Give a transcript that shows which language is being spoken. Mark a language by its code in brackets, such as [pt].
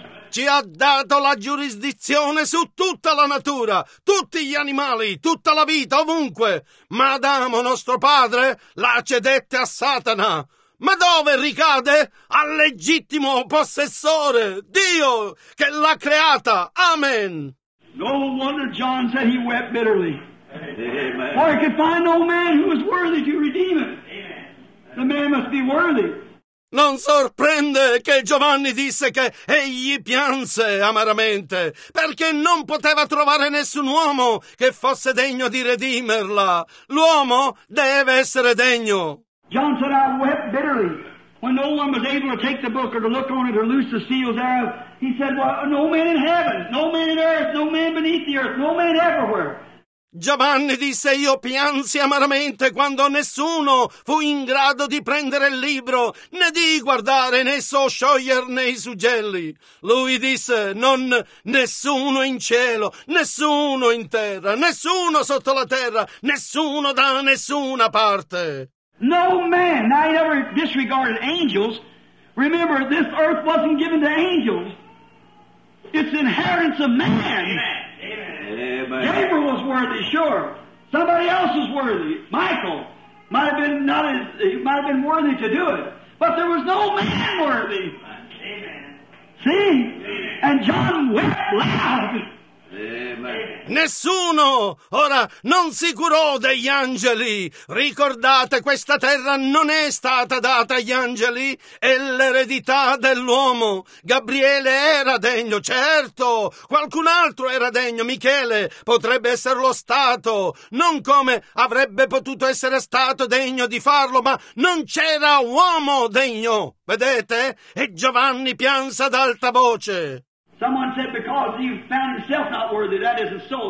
[it] Ci ha dato la giurisdizione su tutta la natura, tutti gli animali, tutta la vita, ovunque. Ma Adamo, nostro padre, la cedette a Satana. Ma dove ricade? Al legittimo possessore, Dio, che l'ha creata. Amen. [en] No wonder John said he wept bitterly. For he could find no man who was worthy to redeem it. The man must be worthy. [it] Non sorprende che Giovanni disse che egli pianse amaramente, perché non poteva trovare nessun uomo che fosse degno di redimerla. L'uomo deve essere degno. [en] John said, I wept bitterly when no one was able to take the book or to look on it or loose the seals thereof. He said, well, no man in heaven, no man in earth, no man beneath the earth, no man everywhere. [it] Giovanni disse, io piansi amaramente quando nessuno fu in grado di prendere il libro, né di guardare, né so scioglierne i suggelli. Lui disse, non nessuno in cielo, nessuno in terra, nessuno sotto la terra, nessuno da nessuna parte. [en] No man, I never disregarded angels. Remember, this earth wasn't given to angels. It's inheritance of man. Amen. Amen. Gabriel was worthy, sure. Somebody else was worthy. Michael might have been not as, might have been worthy to do it. But there was no man worthy. Amen. See? Amen. And John wept loud. Amen. [it] Nessuno ora non si curò degli angeli. Ricordate, questa terra non è stata data agli angeli, è l'eredità dell'uomo. Gabriele era degno, certo, qualcun altro era degno, Michele potrebbe esserlo stato, non come avrebbe potuto essere stato degno di farlo, ma non c'era uomo degno, vedete? E Giovanni pianse ad alta voce. [en] Someone said, because he found himself not worthy, that isn't so.